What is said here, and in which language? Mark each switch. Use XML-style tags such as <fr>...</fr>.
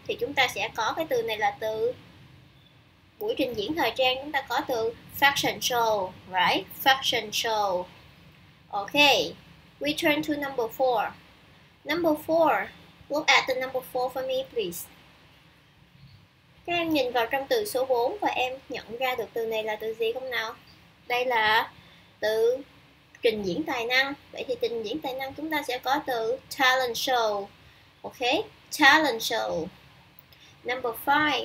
<vi>Thì chúng ta sẽ có cái từ này là từ buổi trình diễn thời trang. Chúng ta có từ fashion show, right?</vi> <en>Fashion show. Ok, we turn to number 4. Number 4, look at the number 4 for me please.</en> <vi>Các em nhìn vào trong từ số 4 và em nhận ra được từ này là từ gì không nào? Đây là từ trình diễn tài năng. Vậy thì trình diễn tài năng chúng ta sẽ có từ talent show.</vi> <en>Ok, talent show. Number 5.</en>